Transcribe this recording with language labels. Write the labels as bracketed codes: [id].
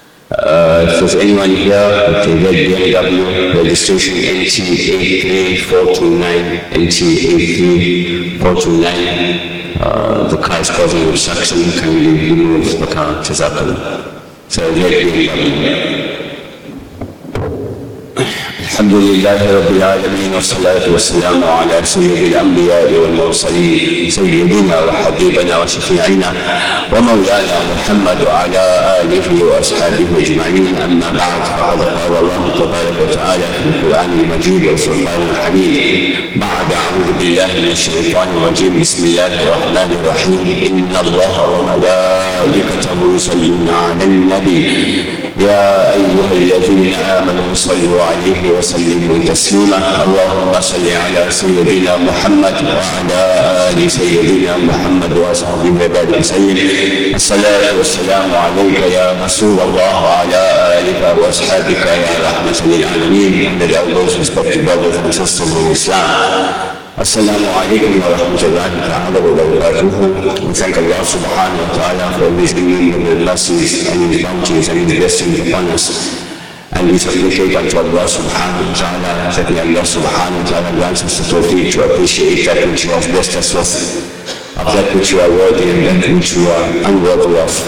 [en] Does anyone here with the red BMW registration NT83429, the car is causing obstruction, can you remove the car to Zappel? So red BMW. [ar] الحمد لله رب العالمين والصلاة والسلام على سيد الأنبياء والمرسلين سيدنا وحبيبنا وشفيعنا ومولانا محمد وعلى آله وأصحابه أجمعين أما بعد فعلى الله تبارك وتعالى في القرآن المجيد والفرقان الحميد بعد أعوذ بالله من الشيطان الرجيم بسم الله الرحمن الرحيم إن الله وملائكته يصلون على النبي يا أيها الذين آمنوا صلوا عليه وسلموا تسليما اللهم صل على سيدنا محمد وعلى آل سيدنا محمد وأصحابه بعد سيد الصلاة والسلام عليك يا رسول الله وعلى آلك وأصحابك يا رحمة للعالمين الذي أرضوه سبق الباب وخمسة الإسلام السلام عليكم ورحمة الله تعالى وبركاته. [en] Thank Allah subhanahu wa ta'ala for this being the blessings and the bounties and the blessings upon us. And we appreciate that to Allah subhanahu wa ta'ala, that Allah subhanahu wa ta'ala grants us the tawfiq to appreciate that which you have blessed us with, of that which you are worthy and that which you are unworthy of.